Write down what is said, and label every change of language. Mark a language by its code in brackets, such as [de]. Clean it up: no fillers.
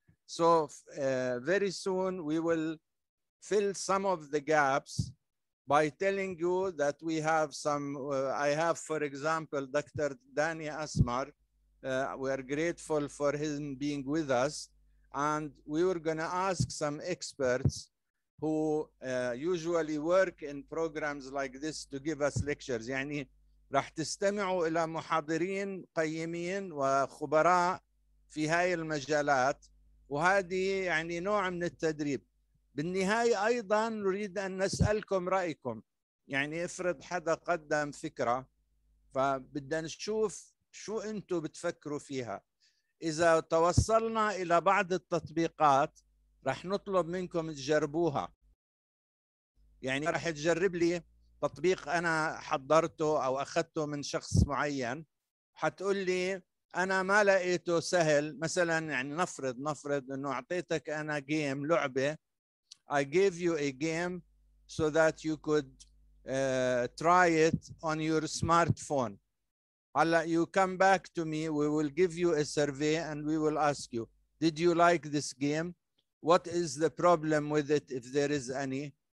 [en] So very soon we will fill some of the gaps by telling you that we have some. I have, for example, Dr. Danny Asmar. We are grateful for him being with us, and we were going to ask some experts who usually work in programs like this to give us lectures. [ar] يعني راح تستمعوا إلى محاضرين قيمين وخبراء في هاي المجالات، وهذه يعني نوع من التدريب. بالنهاية أيضا نريد أن نسألكم رأيكم. يعني افرض حدا قدم فكرة، فبدنا نشوف شو أنتوا بتفكروا فيها. إذا توصلنا إلى بعض التطبيقات رح نطلب منكم تجربوها. يعني رح تجرب لي تطبيق أنا حضرته أو أخذته من شخص معين، حتقول لي أنا ما لقيته سهل. مثلا يعني نفرض أنه أعطيتك أنا جيم، لعبة. [en] I gave you a game so that you could try it on your smartphone. You come back to me, we will give you a survey, and we will ask you, did you like this game? What is the problem with it, if there is any?